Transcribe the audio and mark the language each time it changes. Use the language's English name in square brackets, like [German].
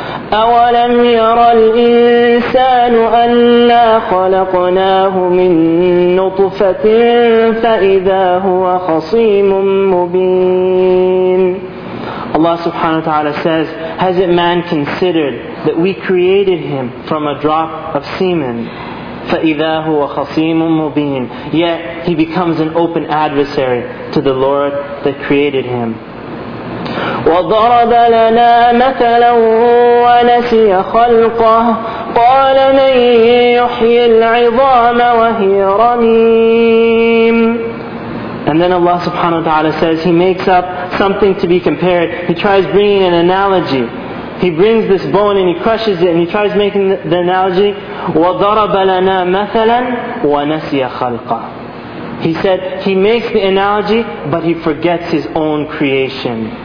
[Arabic] أَوَلَمْ يَرَ الْإِنسَانُ أَنَّا خَلَقْنَاهُ مِنْ نُطْفَةٍ فَإِذَا هُوَ خَصِيمٌ مُبِينٌ. [English] Allah subhanahu wa ta'ala says, hasn't man considered that we created him from a drop of semen? [Arabic] فَإِذَا هُوَ خَصِيمٌ مُبِينٌ. [English] Yet he becomes an open adversary to the Lord that created him. [Arabic] وضرب لنا مثلا ونسي خلقه قال من يحيي العظام وهي رميم. [English] And then Allah subhanahu wa ta'ala says, he makes up something to be compared. He tries bringing an analogy. He brings this bone and he crushes it and he tries making the analogy. [Arabic] وضرب لنا مثلا ونسي خلقه. [English] He said, he makes the analogy but he forgets his own creation.